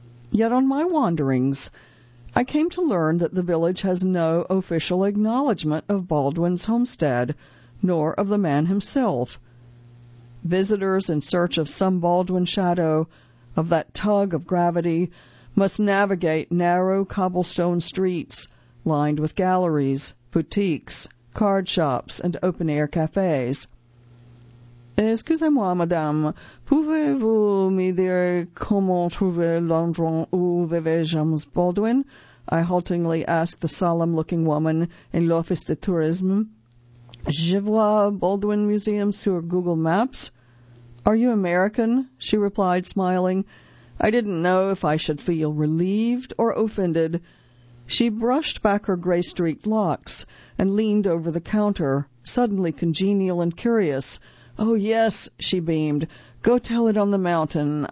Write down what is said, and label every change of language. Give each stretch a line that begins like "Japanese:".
English: Yet on my wanderings, I came to learn that the village has no official acknowledgement of Baldwin's homestead, nor of the man himself. Visitors in search of some Baldwin shadow, of that tug of gravity, must navigate narrow cobblestone streets lined with galleries, boutiques, card shops, and open-air cafes.
French: Excusez-moi, madame, pouvez-vous me dire comment trouver l'endroit où vivait James Baldwin?
English: I haltingly asked the solemn-looking woman in
French: l'office de tourisme. Je vois Baldwin Museum sur Google Maps.
English: Are you American? She replied, smiling. I didn't know if I should feel relieved or offended. She brushed back her gray-streaked locks and leaned over the counter, suddenly congenial and curious. Oh, yes, she beamed. Go tell it on the mountain.